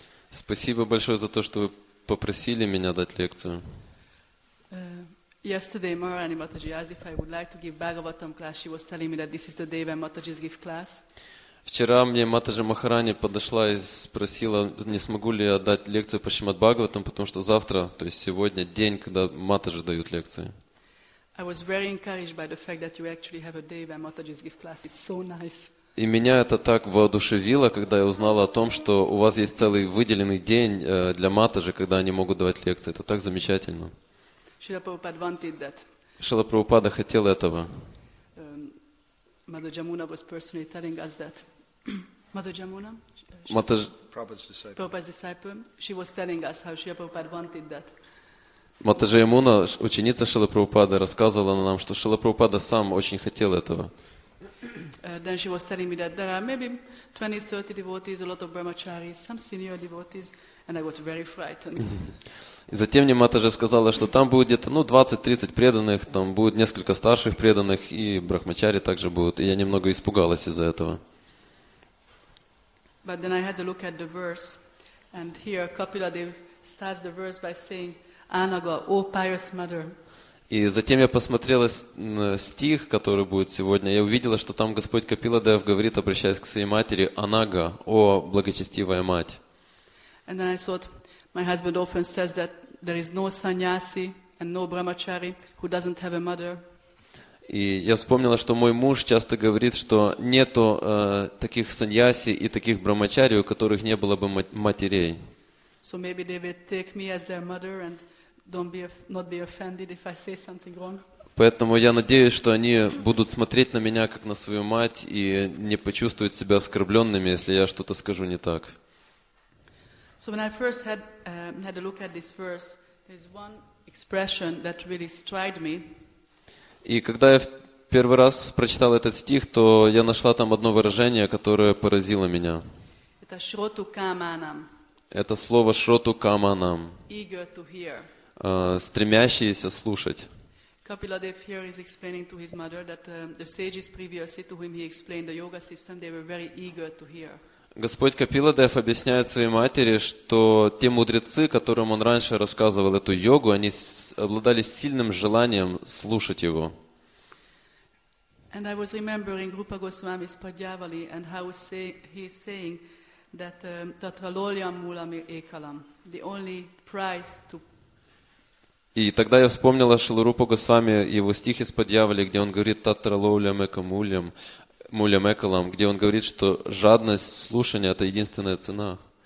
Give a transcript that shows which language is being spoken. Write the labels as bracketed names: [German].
[Russian] Спасибо большое за то, что вы попросили меня дать лекцию. [English] Yesterday Maharani Mataji asked if I would like to give Bhagavatam class. She was telling me that this is the day when Mataji's give class. [Russian] Вчера мне Матаджи Махарани подошла и спросила, не смогу ли я дать лекцию по Шримад Бхагаватам, потому что завтра, то есть сегодня, день, когда Матаджи дают лекции. [English] I was very encouraged by the fact that you actually have a day when Mataji's give class. It's so nice. [Russian] И меня это так воодушевило, когда я узнала о том, что у вас есть целый выделенный день для Матаджи, когда они могут давать лекции. Это так замечательно. [English] Шрила Прабхупада wanted that. [Russian] Шрила Прабхупада хотел этого. [English] Mother Jamuna was personally telling us that. Mother Jamuna? Prabhupada's disciple. She was telling us how Шрила Прабхупада wanted that. [Russian] Матаджи Ямуна, ученица Шрилы Прабхупады, рассказывала нам, что Шрила Прабхупада сам очень хотел этого. [English] Then she was telling me that there are maybe 20-30 devotees, a lot of brahmacharis, some senior devotees, and I was very frightened. [Russian] И затем мне Матаджи сказала, что там будет где-то 20-30 преданных, там будет несколько старших преданных, и брахмачари также будут. И я немного испугалась из-за этого. [English] But then I had to look at the verse, and here Kapila Dev starts the verse by saying, Anaga, O pious mother. [Russian] И затем я посмотрела стих, который будет сегодня, я увидела, что там Господь Капила Дев говорит, обращаясь к своей матери, Анага, о благочестивая мать. [English] And then I thought, my husband often says that there is no sannyasi and no brahmachari who doesn't have a mother. [Russian] И я вспомнила, что мой муж часто говорит, что нету таких саньяси и таких брахмачари, у которых не было бы матерей. [English] So maybe they would take me as their mother and not be offended if I say something wrong. [Russian] Поэтому я надеюсь, что они будут смотреть на меня как на свою мать и не почувствуют себя оскорбленными, если я что-то скажу не так. [English] So when I first had a look at this verse, there's one expression that really struck me. [Russian] И когда я первый раз прочитал этот стих, то я нашла там одно выражение, которое поразило меня. Это шроту каманам. Это слово шроту каманам. [English] Eager to hear. [Russian] Стремящиеся слушать. [English] Kapila Dev here is explaining to his mother that the sages previously to whom he explained the yoga system, they were very eager to hear. [Russian] Господь Капила Дев объясняет своей матери, что те мудрецы, которым он раньше рассказывал эту йогу, они обладали сильным желанием слушать его. [English] And I was remembering Rupa Goswami's Padyavali and how he is saying that tatraloliam mulam ekalam, the only price to. [Russian] И тогда я вспомнила Шрилу Рупа Госвами, его стих из Падьявали, где он говорит татраловлям экамулям. Муля Мекалам, где он говорит, что жадность слушания – это единственная цена.